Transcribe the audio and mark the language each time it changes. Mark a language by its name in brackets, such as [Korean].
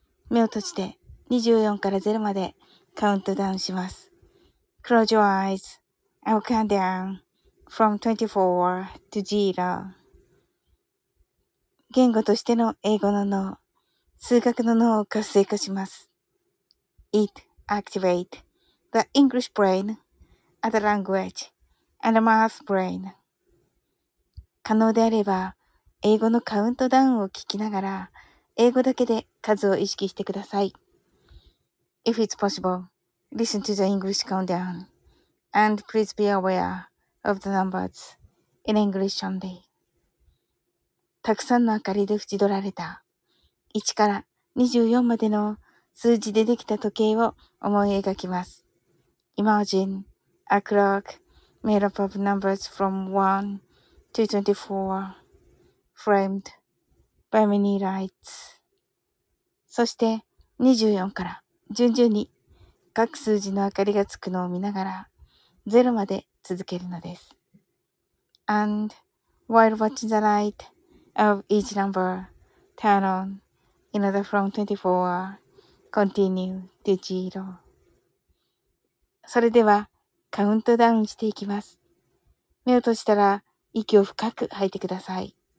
[Japanese] 目を閉じて24から0までカウントダウンします。 [English] Close your eyes. I will count down from 24 to 0. [Japanese] 言語としての英語の脳、数学の脳を活性化します。 [English] Eat. Activate the English brain and the language and the math brain. [Japanese] 可能であれば、英語のカウントダウンを聞きながら、英語だけで数を意識してください。 [English] If it's possible, listen to the English countdown and please be aware of the numbers in English only. [Japanese] たくさんの明かりで縁取られた1から24までの数字でできた時計を思い描きます。 [English] Imagine a clock made up of numbers from 1 to 24 framed by many lights. [Japanese] そして24から順々に各数字の明かりがつくのを見ながら0まで続けるのです。 [English] And while watching the light of each number turn on in order from 24,Continue to zero. [Japanese] それではカウントダウンしていきます。目を閉じたら息を深く吐いてください。